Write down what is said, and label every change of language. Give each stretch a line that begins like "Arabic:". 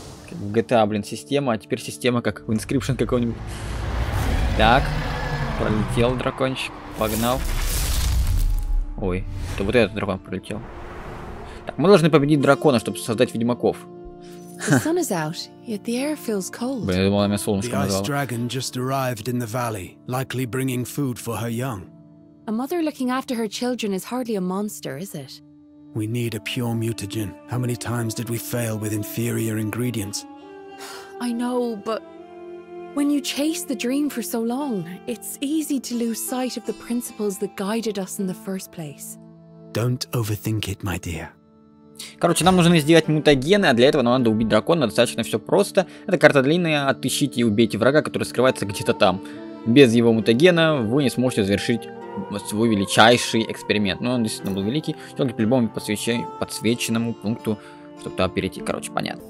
Russian: GTA, блин, система. А теперь система как в инскрипшн какой-нибудь. Так. Пролетел дракончик. Погнал. Ой, это вот этот дракон прилетел. Так, мы должны победить дракона, чтобы создать ведьмаков. Блин, я думал, она меня солнышком назвала.
English: The ice dragon just arrived in the valley, likely bringing food for her young. A mother looking after her children is hardly a monster, is it? We need a pure mutagen. How many times did we fail with inferior ingredients? I know, but when you chase the dream for so long, it's easy to lose sight of the principles that guided us in the first place. Don't overthink it, my dear.
Russian: Короче, нам нужно сделать мутагены, а для этого нам надо убить дракона, достаточно все просто. Эта карта длинная, отыщите и убейте врага, который скрывается где-то там. Без его мутагена вы не сможете завершить свой величайший эксперимент. Но он действительно был великий, только по любому подсвеченному пункту, чтобы туда перейти. Короче, понятно.